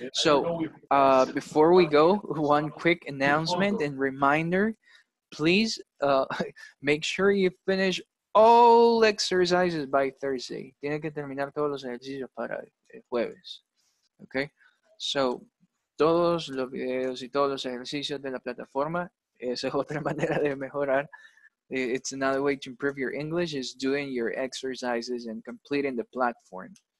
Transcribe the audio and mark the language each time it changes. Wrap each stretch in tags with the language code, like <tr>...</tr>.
<en>So, before we go, one quick announcement and reminder, please make sure you finish all exercises by Thursday.</en> <es>Tiene que terminar todos los ejercicios para el jueves. Okay? So, todos los videos y todos los ejercicios de la plataforma, esa es otra manera de mejorar.</es> <en>It's another way to improve your English is doing your exercises and completing the platform.</en>